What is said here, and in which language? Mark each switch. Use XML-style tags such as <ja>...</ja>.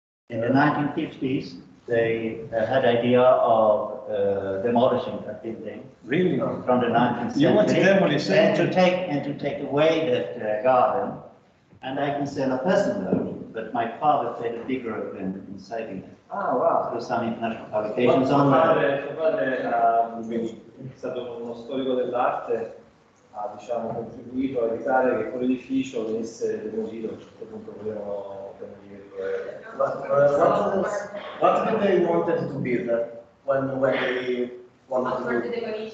<en>In the 1950s, they had idea of demolishing that building. Really? From the 1970s. You want to demolish it? To take away that garden. And I can say on a personal note that my father played a big role in saving it. Ah, wow. There's some international publications on that.</en> <it>Mio padre è stato uno storico dell'arte, ha diciamo contribuito a evitare che quell'edificio venisse demolito, perché appunto volevano demolirlo.</it> <en>What they wanted to build when they wanted to build?</en>